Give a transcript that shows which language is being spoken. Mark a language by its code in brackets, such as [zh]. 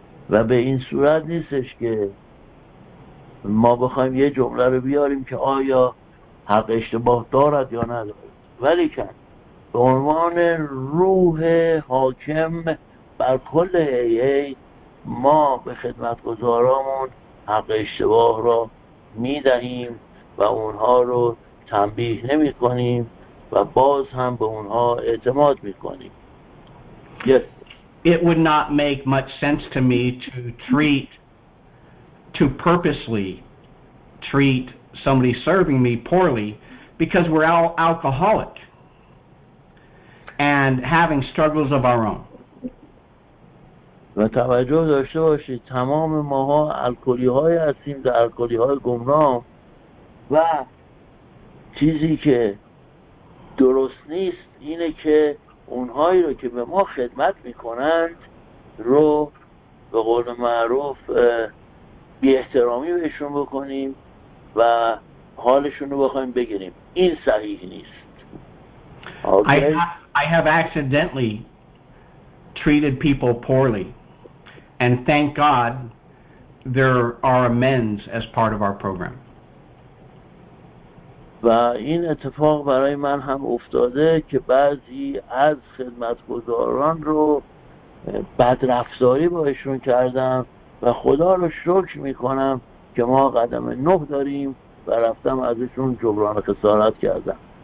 [fa] و به این صورت نیستش که ما بخوایم یه جمله رو بیاریم که آیا حق اشتباه دارد یا ندارد، ولیکن به عنوان روح حاکم بر کل AA ما به خدمتگزارامون حق اشتباه را می دهیم و اونها رو تنبیه نمی کنیم و باز هم به اونها اعتماد می کنیم. [en] Yes. It would not make much sense to me to treat, to purposely treat somebody serving me poorly, because we're all alcoholic and having struggles of our own. [fa] و توجه داشته باشید تمام ماها الکلی های هستیم در الکلی های گمنام و چیزی که درست نیست اینه که اونهایی رو که به ما خدمت میکنند رو به قول معروف بی احترامی بهشون بکنیم و حالشون رو بخوایم بگیریم. این صحیح نیست. [en] Okay. I have accidentally treated people poorly. And thank God there are amends as part of our program. [fa] و این اتفاق برای من هم افتاده که بعضی از خدمتگزاران رو بدرفتاری باشون کردم و خدا رو شکر میکنم که ما قدم نه داریم و رفتم ازشون جبران خسارت کردم.